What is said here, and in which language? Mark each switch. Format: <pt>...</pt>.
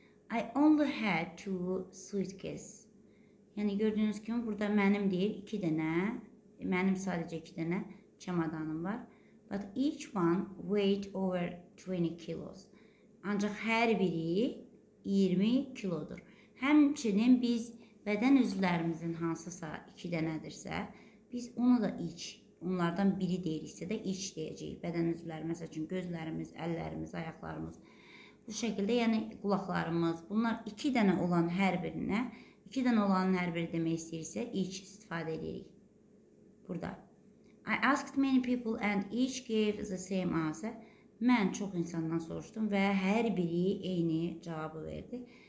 <en>I only had two suitcases.</en> <az>Yəni gördüyünüz kimi burada mənim deyil, iki dənə. Mənim sadəcə iki dənə çamadanım var.</az> <en>But each one weighed over 20 kilos.</en> <az>Ancaq hər biri 20 kilodur. Həmçinin biz bədən üzvlərimizin hansısa iki dənədirsə, biz ona da iç, onlardan biri deyiriksə də iç deyəcəyik. Bədən üzvləri, məsəl üçün gözlərimiz, əllərimiz, ayaqlarımız, bu şəkildə, yəni qulaqlarımız, bunlar iki dənə olan hər birinə, iki dənə olan hər biri demək istəyirsə, iç istifadə edirik. Burada.</az> <en>I asked many people and each gave the same answer.</en> <az>Mən çox insandan soruşdum və hər biri eyni cavabı verdi.</az>